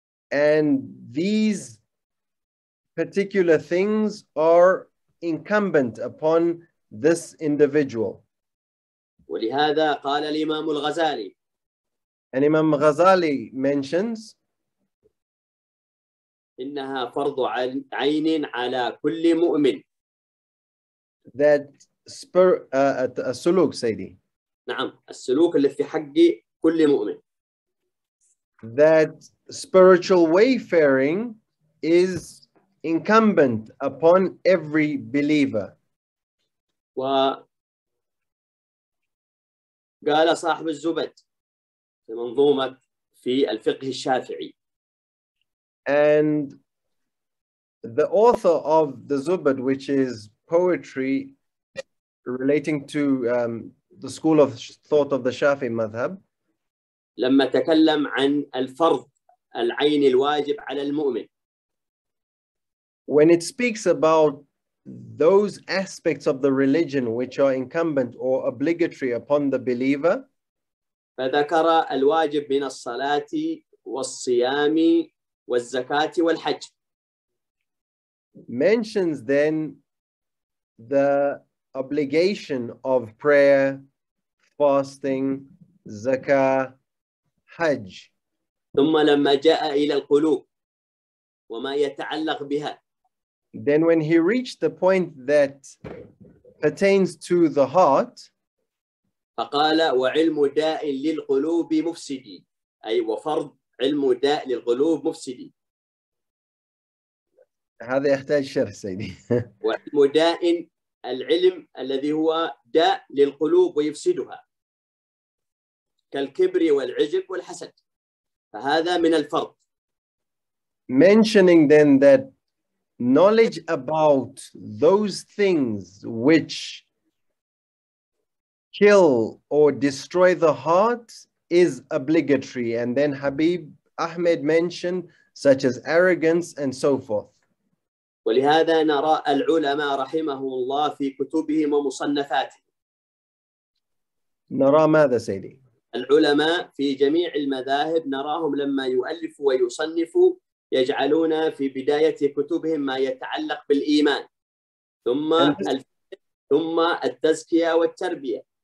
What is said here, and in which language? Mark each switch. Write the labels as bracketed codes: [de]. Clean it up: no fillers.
[en] And these particular things are incumbent upon this individual. [ar] ولهذا قال الإمام الغزالي. [en] And Imam Ghazali mentions, [ar] إنها فرض عين على كل مؤمن. That السلوك سيدي. نعم السلوك اللي في حق كل مؤمن. [en] That spiritual wayfaring is incumbent upon every believer. [ar] وقال صاحب الزبد في منظومة في الفقه الشافعي. [en] And the author of the Zubd, which is poetry relating to the school of thought of the Shafi madhab. [ar] لما تكلم عن الفرض العين الواجب على المؤمن. [en] When it speaks about those aspects of the religion which are incumbent or obligatory upon the believer. [ar] فذكر الواجب من الصلاة والصيام والزكاة والحج. [en] Mentions then the obligation of prayer, fasting, zakah, حج. [ar] ثم لما جاء إلى القلوب وما يتعلق بها. [en] Then when he reached the point that pertains to the heart. [ar] فقال وعلم داء للقلوب مفسدي. أي وفرض علم داء للقلوب مفسدي. هذا يحتاج شرح سيدي. وعلم داء العلم الذي هو داء للقلوب ويفسدها. كالكبر والعجب والحسد فهذا من الفرض. [en] Mentioning then that knowledge about those things which kill or destroy the heart is obligatory. And then Habib Ahmed mentioned such as arrogance and so forth. [ar] ولهذا نرى العلماء رحمه الله في كتبهم ومصنفاته. نرى ماذا سيدي؟ العلماء في جميع المذاهب نراهم لما يؤلفوا ويصنفوا يجعلون في بداية كتبهم ما يتعلق بالإيمان ثم ثم التزكية والتربية.